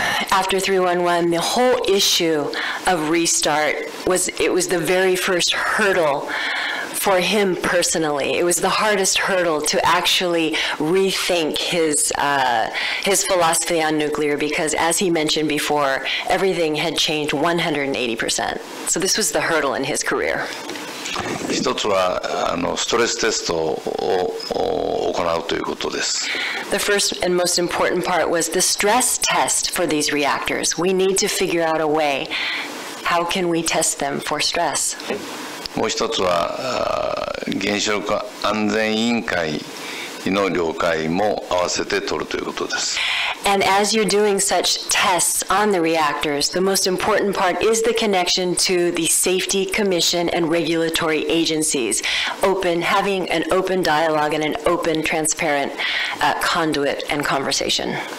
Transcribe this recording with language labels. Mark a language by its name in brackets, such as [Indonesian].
[English] After 311, the whole issue of restart was, it was the very first hurdle for him personally. It was the hardest hurdle to actually rethink his philosophy on nuclear because, as he mentioned before, everything had changed 180%. So this was the hurdle in his career. [Japanese] 一つは ストレステストを行うということです。 [English] The first and most important part was the stress test for these reactors. We need to figure out a way. How can we test them for stress? [Japanese] もう一つは 原子力安全委員会の了解も合わせて取るということです。 [English] And as you're doing such tests on the reactors, the most important part is the connection to the safety commission and regulatory agencies, open, having an open dialogue and an open, transparent conduit and conversation.